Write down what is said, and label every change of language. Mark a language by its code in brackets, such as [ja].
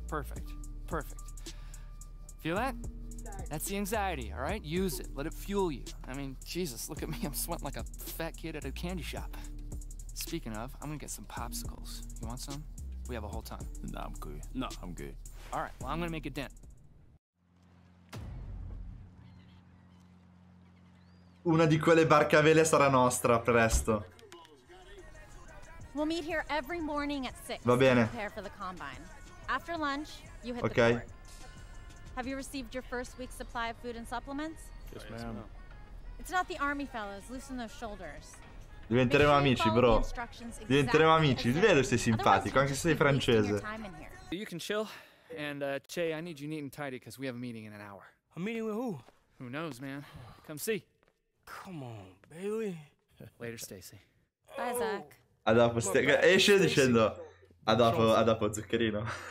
[en] Perfect. Feel that? That's the anxiety, all right? Use it. Let it fuel you. I mean, Jesus, look at me. I'm sweating like a fat kid at a candy shop. Speaking of, I'm gonna get some popsicles. You want some? We have a whole ton. No, I'm good. All right, well, I'm gonna make a dent. [it] Una di quelle barche a vele sarà nostra presto. [en] We'll meet here every morning at 6. [it] Va bene. [en] Prepare for the combine. After lunch, you hit okay. The court. Have you received your first week's supply of food and supplements? Yes, ma'am. It's not the army, fellas. Loosen those shoulders. [it] Diventeremo amici, bro. Diventeremo amici. Ti vedo sei simpatico, anche se sei francese. [en] You can chill. And Che, I need you neat and tidy because we have a meeting in an hour. A meeting with who? Who knows, man. Come see. Come on, Bailey. Later, Stacy. Bye, Zach. [it] A dopo, esce dicendo a dopo zuccherino.